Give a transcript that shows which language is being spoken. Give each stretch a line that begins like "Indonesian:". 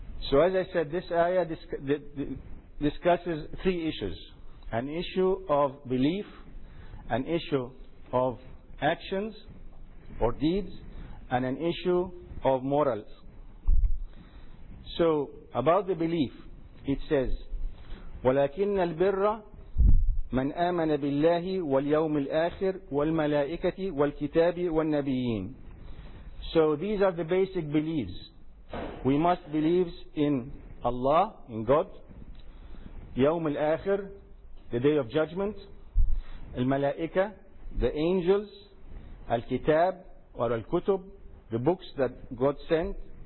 English: So as I said, this ayah discusses three issues. An issue of belief, an issue of actions or deeds, and an issue of morals. So about the belief, it says,
Arabic: وَلَكِنَّ الْبِرَّ من آمن بالله واليوم الآخر والملائكة والكتاب والنبيين.
English: So these are the basic beliefs. We must believe in Allah, in God.
Arabic: يوم الآخر,
English: the day of judgment.
Arabic: الملائكة,
English: the angels.
Arabic: الكتاب
English: or
Arabic: الكتب,
English: the books that God sent.